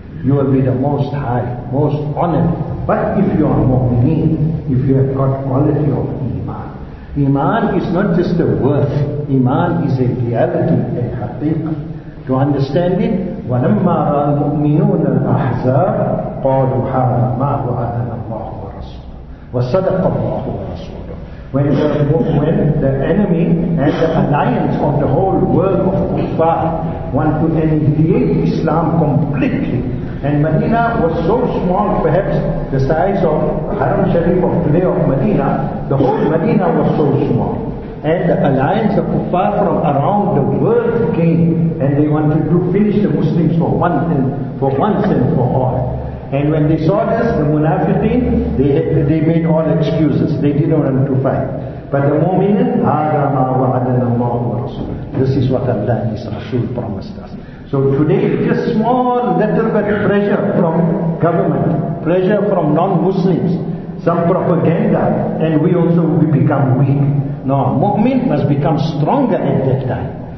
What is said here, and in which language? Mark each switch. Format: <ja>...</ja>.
<en>You will be the most high, most honored. But if you are mu'mineen, if you have got quality of iman. Iman is not just a word. Iman is a reality, a haqiqah. To understand it,</en> <ar>وَلَمَّا رَى الْمُؤْمِنُونَ الْأَحْزَابَ قَالُوا حَالَ مَا وَعَدَنَا اللَّهُ وَرَسُولُهُ وَصَدَقَ اللَّهُ وَرَسُولُهُ.</ar> <en>When the enemy and the alliance of the whole world of kuffar want to annihilate Islam completely, and Medina was so small, perhaps the size of Haram Sharif of today of Medina, the whole Medina was so small. And the alliance of kuffar from around the world came, and they wanted to finish the Muslims for once and for all. And when they saw this, the munafiqin, they made all excuses. They didn't want to fight. But the mu'minin,</en> <ar>هَذَا مَا وَعَدَنَا اللَّهُ وَرَسُولُهُ.</ar> <en>This is what Allah and His Rasul promised us. So today, just small little bit of pressure from government, pressure from non-Muslims, some propaganda, and we also become weak. No, mu'min must become stronger at that time.</en>